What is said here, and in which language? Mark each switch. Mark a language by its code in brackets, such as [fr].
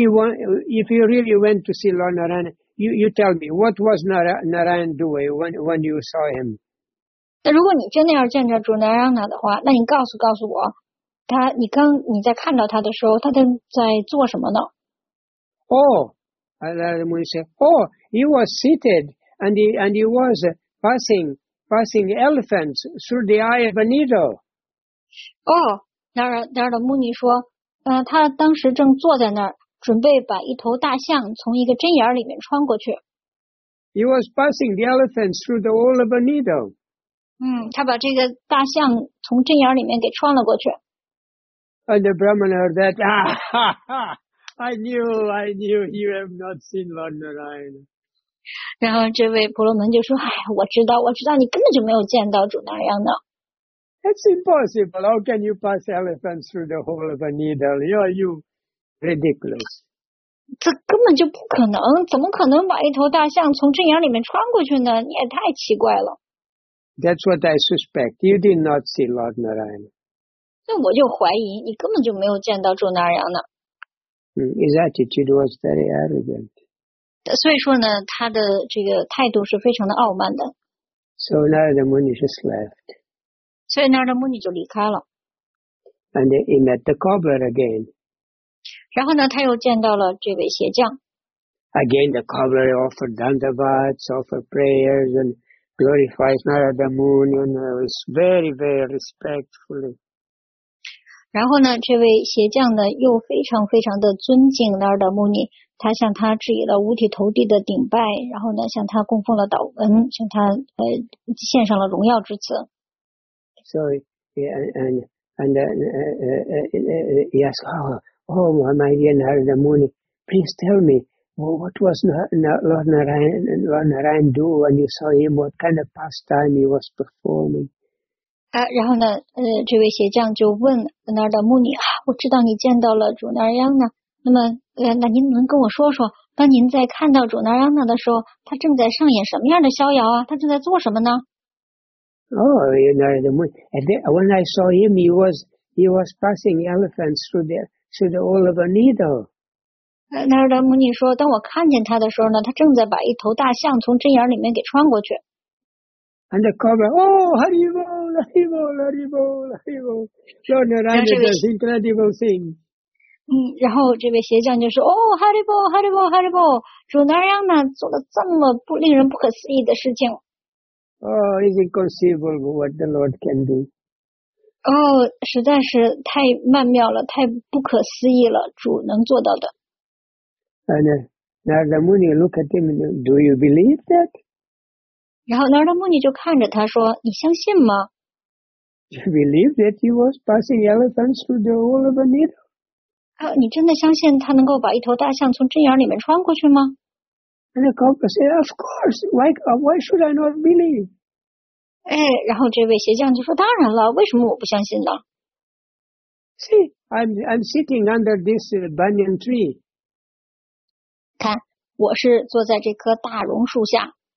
[en] If you really went to see Lord Narayana, you tell me what was Narayana doing when you saw him. [zh] 那如果你真的要见着主 Narayana 的话，那你告诉我，他，你刚你在看到他的时候，他在做什么呢？ [en] He was seated and he was passing elephants through the eye of a needle. [zh] 哦，那儿的穆尼说，他当时正坐在那儿，准备把一头大象从一个针眼里面穿过去。 [en] He was passing the elephants through the hole of a needle. [zh] 嗯，他把这个大象从针眼里面给穿了过去。 [en] And the Brahman heard that, ah, ha, ha, I knew you have not seen Lord Narayana. [zh] 然后这位婆罗门就说，哎，我知道你根本就没有见到主那样的。 [en] It's impossible. How can you pass elephants through the hole of a needle? You ridiculous. [zh] 这根本就不可能，怎么可能把一头大象从针眼里面穿过去呢？你也太奇怪了。 [en] That's what I suspect. You did not see Lord Narayana. [zh] 那我就怀疑你根本就没有见到朱娜扬呢。 [en] His attitude was very arrogant. [zh] 所以说呢，他的这个态度是非常的傲慢的。 [en] So Narada Muni just left. [zh] 所以 Narada Muni 就离开了。 [en] And he met the cobbler again. [zh] 然后呢，他又见到了这位鞋匠。 [en] Again, the cobbler offered dandavats, offered prayers, and glorified Narada Muni, and was very, very respectfully. [zh] 然后呢，这位鞋匠呢又非常非常的尊敬那儿的穆尼，他向他致以了五体投地的顶拜，然后呢向他供奉了祷文，向他献上了荣耀之词。 [en] So he asked, "Oh, my dear Narada Muni, please tell me, what was Lord Narayan do when you saw him? What kind of pastime he was performing?" [zh] 然后呢，这位鞋匠就问那儿的穆尼，我知道你见到了主那儿央那，那么那您能跟我说说，当您在看到主那儿央那的时候，他正在上演什么样的逍遥啊？他正在做什么呢？ [en] When I saw him, he was passing elephants through the hole of a needle. [zh] 那儿的穆尼说，当我看见他的时候呢，他正在把一头大象从针眼里面给穿过去。 [en] And the cobbler, oh, Haribol, Haribol, Haribol, Haribol. Lord Narayana does incredible things. [zh] 然后这位鞋匠就说，哦，Haribol, Haribol, Haribol. 主那儿央呢做了这么不令人不可思议的事情。 [en] Oh, it's inconceivable what the Lord can do. [zh] 实在是太曼妙了，太不可思议了，主能做到的。 [en] And Narada Muni look at him, do you believe that? [zh] 然后Narada Muni就看着他说，你相信吗？ [en] You believe that he was passing elephants through the hole of a needle? [zh] 你真的相信他能够把一头大象从针眼里面穿过去吗？ [en] And the cobbler said, of course, why should I not believe? [zh] 然后这位鞋匠就说，当然了，为什么我不相信呢？ [en] See, I'm sitting under this banyan tree. [zh] 看，我是坐在这棵大榕树下。